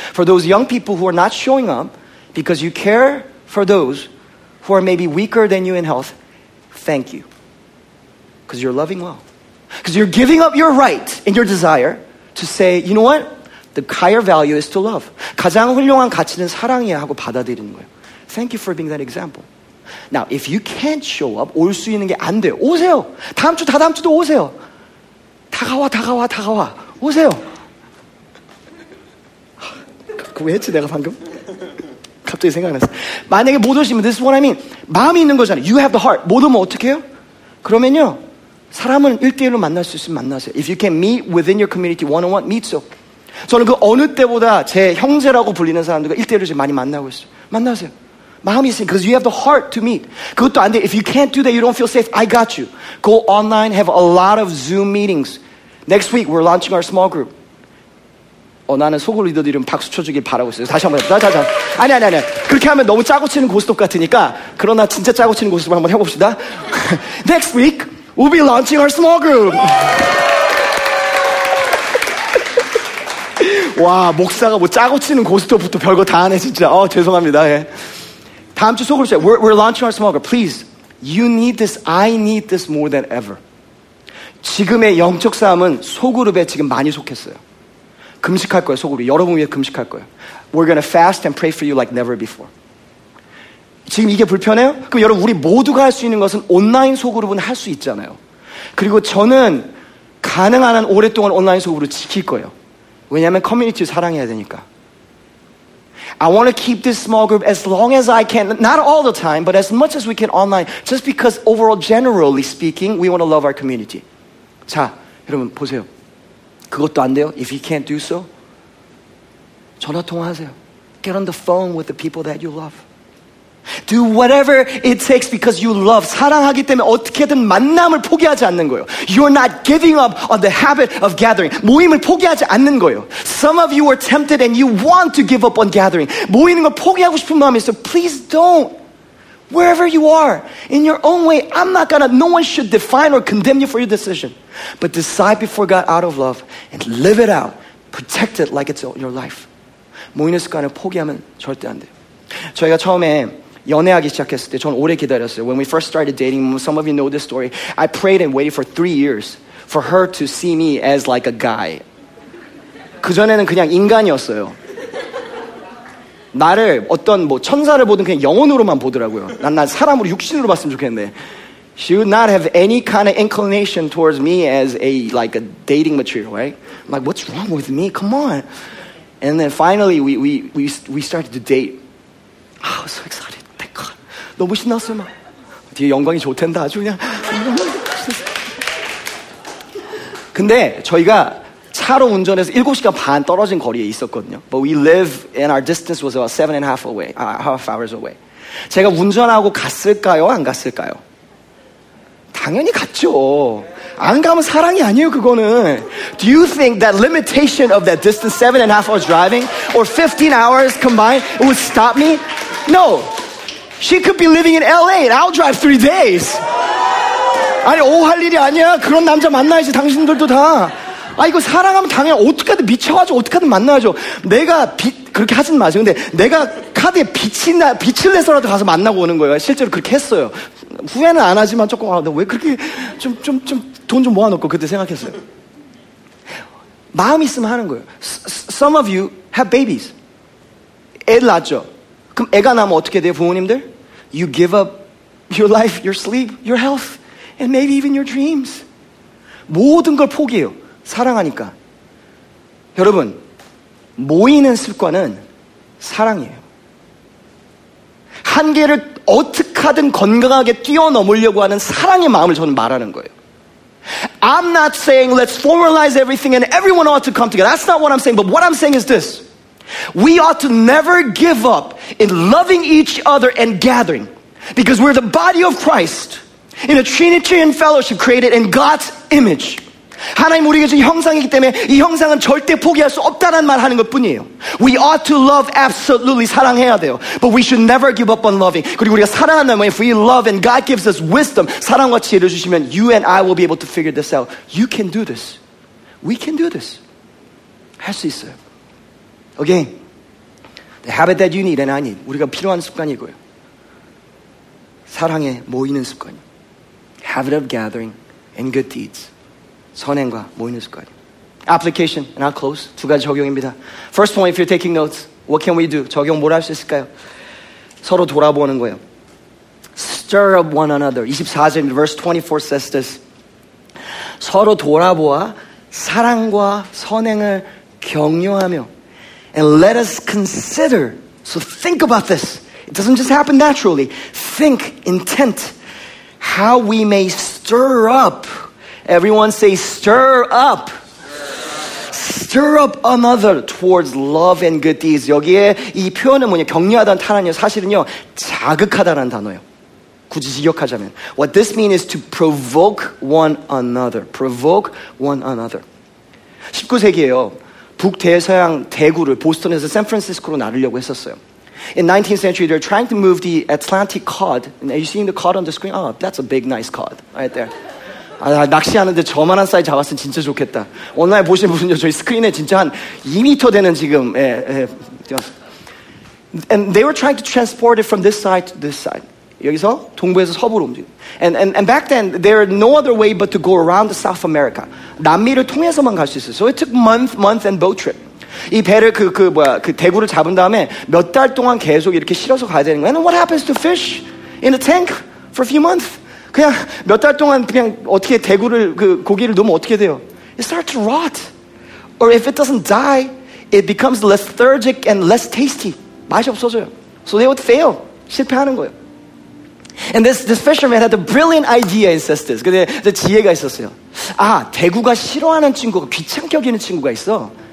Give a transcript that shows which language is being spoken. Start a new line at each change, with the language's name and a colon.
English: For those young people who are not showing up because you care for those who are maybe weaker than you in health, thank you. Because you're loving well. Because you're giving up your right and your desire to say, you know what? The higher value is to love.
Korean: 가장 훌륭한 가치는 사랑이야 하고 받아들이는 거예요.
English: Thank you for being that example. Now, if you can't show up,
Korean: 올 수 있는 게 안 돼요. 오세요. 다음 주, 다다음 주도 오세요. 다가와, 다가와, 다가와. 오세요. 그 왜 했지, 내가 방금? 갑자기 생각났어. 만약에 못 오시면,
English: this is what I mean.
Korean: 마음이 있는 거잖아요.
English: You have the heart.
Korean: 못 오면 어떻게 해요? 그러면요, 사람은 1대1로 만날 수 있으면 만나세요.
English: If you can meet within your community, one-on-one, meet so.
Korean: 저는 그 어느 때보다 제 형제라고 불리는 사람들과 1대1로 지금 많이 만나고 있어요. 만나세요. 마음이 있으니까,
English: because you have the heart to meet.
Korean: 그것도 안 돼.
English: If you can't do that, you don't feel safe. I got you. Go online, have a lot of Zoom meetings. Next week, we're launching our small group.
Korean: 어, 나는 소그룹 리더들이랑 박수 쳐주길 바라고 있어요. 다시 한 번. 자. 아니, 아니, 아니. 그렇게 하면 너무 짜고 치는 고스톱 같으니까, 그러나 진짜 짜고 치는 고스톱 한번 해봅시다.
English: Next week, we'll be launching our small group.
Korean: 와, 목사가 뭐 짜고 치는 고스톱부터 별거 다 하네, 진짜. 어, 죄송합니다. 예. 다음 주 소그룹 때,
English: we're launching our small group. Please, you need this. I need this more than ever.
Korean: 지금의 영적 싸움은 소그룹에 지금 많이 속했어요. 금식할 거예요, 소그룹. 여러분 위해 금식할 거예요.
English: We're going to fast and pray for you like never before.
Korean: 지금 이게 불편해요? 그럼 여러분, 우리 모두가 할 수 있는 것은 온라인 소그룹은 할 수 있잖아요. 그리고 저는 가능한 한 오랫동안 온라인 소그룹을 지킬 거예요. 왜냐하면 커뮤니티를 사랑해야 되니까.
English: I want to keep this small group as long as I can. Not all the time, but as much as we can online. Just because overall, generally speaking, we want to love our community.
Korean: 자, 여러분 보세요. 그것도 안 돼요?
English: If you can't do so,
Korean: 전화 통화하세요.
English: Get on the phone with the people that you love. Do whatever it takes because you love.
Korean: 사랑하기 때문에 어떻게든 만남을 포기하지 않는 거예요.
English: You're not giving up on the habit of gathering.
Korean: 모임을 포기하지 않는 거예요.
English: Some of you are tempted and you want to give up on gathering.
Korean: 모이는 걸 포기하고 싶은 마음이 있어요.
English: Please don't. Wherever you are, in your own way, I'm not gonna, no one should define or condemn you for your decision. But decide before God out of love and live it out. Protect it like it's your life.
Korean: 모이는 습관을 포기하면 절대 안 돼요. 저희가 처음에 연애하기 시작했을 때 저는 오래 기다렸어요. When we first started dating, some of you know this story. I prayed and waited for 3 years for her to see me as like a guy. 그전에는 그냥 인간이었어요. 나를 어떤 뭐 천사를 보든 그냥 영혼으로만 보더라고요. 난 사람으로 육신으로 봤으면 좋겠는데.
English: She would not have any kind of inclination towards me as a like a dating material, right? I'm like, what's wrong with me? Come on. And then finally we started to date. I was so excited. Thank God.
Korean: 너무 신났어요, 막. 뒤에 영광이 좋텐다, 아주 그냥. 근데 저희가 차로 운전해서 7시간 반 떨어진 거리에 있었거든요.
English: But we live and our distance was about 7.5 hours away.
Korean: 제가 운전하고 갔을까요, 안 갔을까요? 당연히 갔죠. 안 가면 사랑이 아니에요, 그거는.
English: Do you think that limitation of that distance, 7.5 hours driving or 15 hours combined would stop me? No, she could be living in LA and I'll drive 3 days.
Korean: 아니, 오, 할 일이 아니야. 그런 남자 만나야지, 당신들도 다. 아, 이거 사랑하면 당연히 어떻게든 미쳐가지고 어떻게든 만나야죠. 내가 빛, 그렇게 하진 마세요. 근데 내가 카드에 빛을 내서라도 가서 만나고 오는 거예요. 실제로 그렇게 했어요. 후회는 안 하지만 조금, 아, 나 왜 그렇게 돈 좀 모아놓고 그때 생각했어요. 마음 있으면 하는 거예요.
English: Some of you have babies.
Korean: 애를 낳죠. 그럼 애가 나면 어떻게 돼요, 부모님들?
English: You give up your life, your sleep, your health, and maybe even your dreams.
Korean: 모든 걸 포기해요. 사랑하니까. 여러분, 모이는 습관은 사랑이에요. 한계를 어떻게든 건강하게 뛰어넘으려고 하는 사랑의 마음을 저는 말하는 거예요.
English: I'm not saying let's formalize everything and everyone ought to come together. That's not what I'm saying. But what I'm saying is this. We ought to never give up in loving each other and gathering. Because we're the body of Christ in a Trinitarian fellowship created in God's image.
Korean: 하나님 우리에게 준 형상이기 때문에 이 형상은 절대 포기할 수 없다는 말 하는 것 뿐이에요.
English: We ought to love absolutely,
Korean: 사랑해야 돼요.
English: But we should never give up on loving.
Korean: 그리고 우리가 사랑한다면,
English: if we love and God gives us wisdom,
Korean: 사랑과 지혜를 주시면
English: you and I will be able to figure this out. You can do this. We can do this.
Korean: 할 수 있어요.
English: Again, the habit that you need and I need.
Korean: 우리가 필요한 습관이 이거예요. 사랑에 모이는 습관.
English: Habit of gathering and good deeds.
Korean: 선행과 모이는 습관.
English: Application, and I'll close.
Korean: 두 가지 적용입니다.
English: First point, if you're taking notes, what can we do?
Korean: 적용 뭘 할 수 있을까요? 서로 돌아보는 거예요.
English: Stir up one another.
Korean: 24절,
English: verse 24 says this.
Korean: 서로 돌아보아 사랑과 선행을 격려하며.
English: And let us consider. So think about this. It doesn't just happen naturally. Think, intent, how we may stir up. Everyone say, stir up. Stir up another towards love and good deeds.
Korean: 여기에 이 표현은 뭐냐, 격려하다는 탄환이요. 사실은요, 자극하다는 단어예요. 굳이 직역하자면.
English: What this means is to provoke one another. Provoke one another.
Korean: 19세기에요. 북대서양 대구를 보스턴에서 샌프란시스코로 나누려고 했었어요.
English: In 19th century, they're trying to move the Atlantic cod. And are you seeing the cod on the screen? Oh, that's a big, nice cod right there.
Korean: 아, 낚시하는데 저만한 사이즈 잡았으면 진짜 좋겠다. 온라인 보시는 분은요, 저희 스크린에 진짜 한 2m 되는 지금, 예, 예.
English: And they were trying to transport it from this side to this side.
Korean: 여기서 동부에서 서부로 옮기는.
English: And back then, there were no other way but to go around South America.
Korean: 남미를 통해서만 갈 수 있어요.
English: So it took month and boat trip.
Korean: 이 배를 그 대구를 잡은 다음에 몇 달 동안 계속 이렇게 실어서 가야 되는 거예요.
English: And what happens to fish in a tank for a few months?
Korean: 그냥 몇 달 동안 그냥 어떻게 대구를 그 고기를 넣으면 어떻게 돼요?
English: It starts to rot. Or if it doesn't die, it becomes lethargic and less tasty.
Korean: 맛이 없어져요.
English: So they would fail.
Korean: 실패하는 거예요.
English: And this fisherman had a brilliant idea, says this.
Korean: 근데 이제 지혜가 있었어요. 아, 대구가 싫어하는 친구가 귀찮게 여기는 친구가 있어.